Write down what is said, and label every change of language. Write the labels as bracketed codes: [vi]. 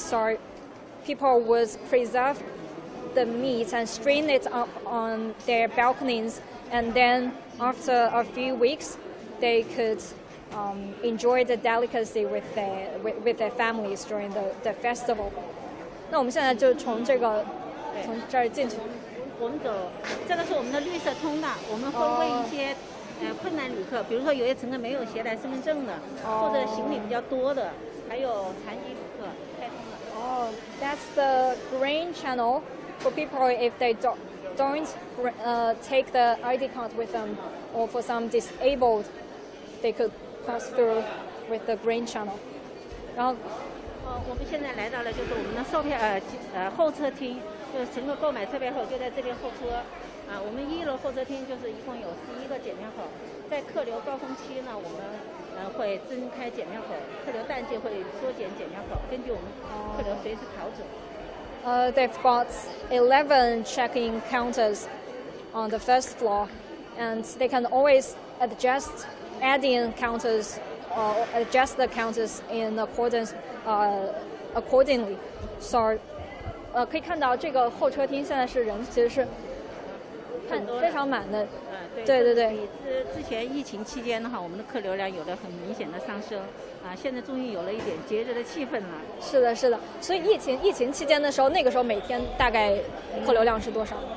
[en] So people would preserve the meat and string it up on their balconies, and then. After a few weeks, they could enjoy the delicacy with their families during the festival. [zh] 那我们现在就从这个从这儿进去。我们走，这个是我们的绿色通道。我们会为一些困难旅客，比如说有些乘客没有携带身份证的，或者行李比较多的，还有残疾旅客开通了。 [en] That's the green channel for people if they don't take the ID card with them, or for some disabled, they could pass through with the green channel. [zh] 然后，我们现在来到了就是我们的售票候车厅，就是乘客购买车票后就在这边候车。我们一楼候车厅就是一共有11个检票口，在客流高峰期呢，我们会增开检票口，客流淡季会缩减检票口，根据我们客流随时调整。 [en] They've got 11 check-in counters on the first floor, and they can always adjust adding counters, adjust the counters in accordance accordingly. [zh] So, 可以看到这个候车厅现在是人其实是很非常满的。对对对，之前疫情期间的话，我们的客流量有了很明显的上升，啊，现在终于有了一点节日的气氛了。是的，是的。所以疫情期间的时候，那个时候每天大概客流量是多少？